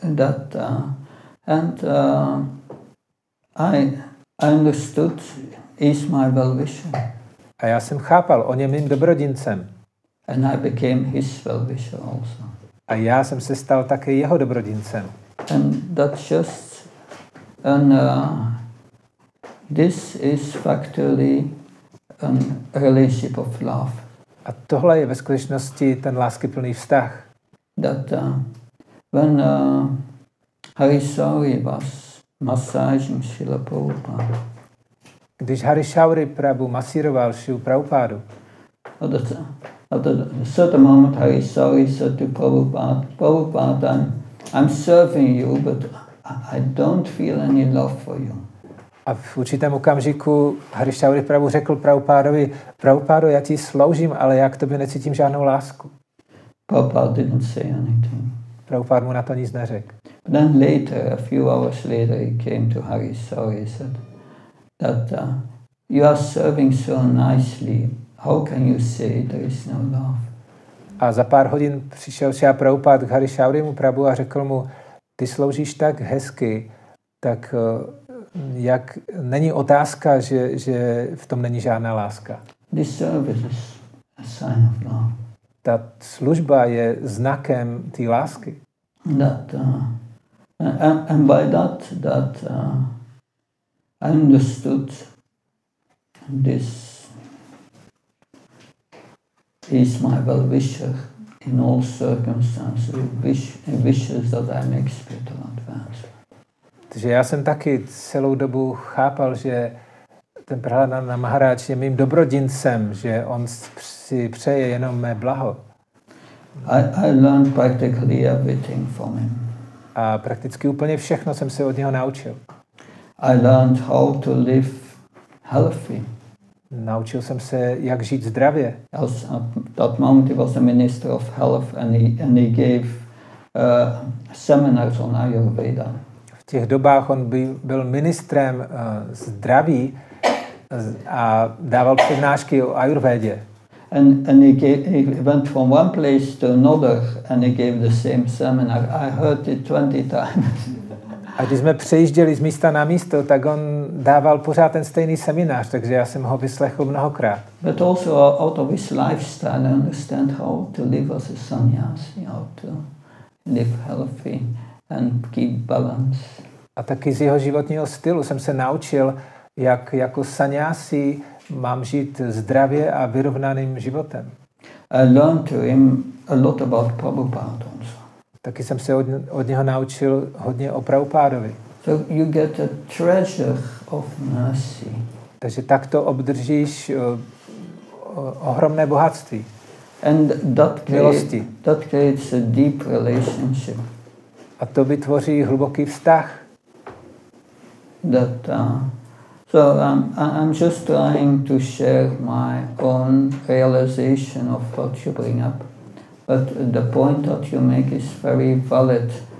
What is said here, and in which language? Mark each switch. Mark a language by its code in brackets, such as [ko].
[en] That, and I understood is my well-wisher. [cs] A já jsem chápal, on je mým dobrodincem. [en] And I became his well-wisher also. [cs] A já jsem se stal také jeho dobrodincem. [en] And that's just an this is factually a relationship of love. [cs] A tohle je ve skutečnosti ten láskyplný vztah. [en] That when Harishauri was massaging Srila Prabhupada. [cs] Když Harishauri Prabhu masíroval Srila Prabhupádu. [en] At a certain moment Harishauri said to Prabhupada, Prabhupada, I'm serving you, but I don't feel any love for you. [cs] A v určitém okamžiku Harishauri Prabhu řekl Prabhupádovi, Prabhupádo, já ti sloužím, ale já k tobě necítím žádnou lásku. [en] Prabhupada didn't say anything. [cs] Prabhupáda mu na to nic neřekl. [en] But then later, a few hours later, he came to Harishauri and said that you are serving so nicely. How can you say there is no love? [cs] A za pár hodin přišel Srila Prabhupáda k Harishaurimu Prabhu a řekl mu, ty sloužíš tak hezky, tak jak není otázka, že v tom není žádná láska. [en] This service is a sign of love. [cs] Ta služba je znakem té lásky. [en] That and by that I understood this is my well-wisher in all circumstances, wishes that I make spiritual advance. [cs] Takže já jsem taky celou dobu chápal, že ten Prahlada Maharáč je mým dobrodincem, že on si přeje jenom mé blaho. [en] I learned practically everything from him. [cs] A prakticky úplně všechno jsem se od něho naučil. [en] I learned how to live healthy. [cs] Naučil jsem se, jak žít zdravě. [en] As at that moment he was a minister of health and he gave seminars on Ayurveda. [cs] V těch dobách on byl ministrem zdraví a dával přednášky o Ayurvédě. [en] And he went from one place to another and he gave the same seminar. I heard it 20 times. [cs] A když jsme přejížděli z místa na místo, tak on dával pořád ten stejný seminář, takže já jsem ho vyslechl mnohokrát. [en] But also out of his lifestyle, I understand how to live as a sannyasi, how to live healthy. And keep balance. [cs] A taky z jeho životního stylu jsem se naučil, jak jako sanjasi mám žít zdravě a vyrovnaným životem. [en] I learned to him a lot about Prabhupada also. [cs] Taky jsem se od něho naučil hodně o Prabhupádovi. [en] So you get a treasure of mercy. [cs] Takže takto obdržíš ohromné bohatství. [en] And that creates a deep relationship. [cs] A to vytvoří hluboký vztah. [en] That, so I'm just trying to share my own realization of what you bring up. But the point that you make is very valid.